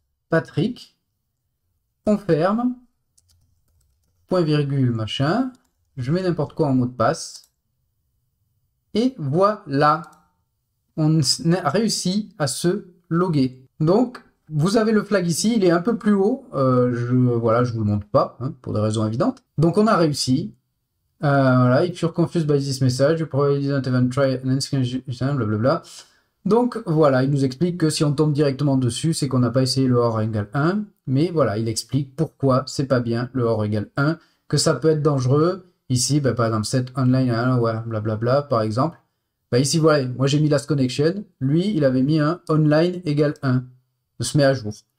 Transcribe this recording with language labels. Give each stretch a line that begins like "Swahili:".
French: Patrick, on ferme. Point virgule machin, je mets n'importe quoi en mot de passe, et voilà, on a réussi à se loguer. Donc, vous avez le flag ici, il est un peu plus haut, voilà, je vous le montre pas, hein, pour des raisons évidentes. Donc, on a réussi.
English: Voilà, if you're confused by this message, you probably didn't even try an blablabla.
French: Donc, voilà, il nous explique que si on tombe directement dessus, c'est qu'on n'a pas essayé le or égale 1. Mais voilà, il explique pourquoi c'est pas bien le or égale 1, que ça peut être dangereux. Ici, ben, par exemple, set online, hein, ouais, blablabla, par exemple. Ben, ici, voilà, moi j'ai mis last connection. Lui, il avait mis un online égale 1. On se met à jour.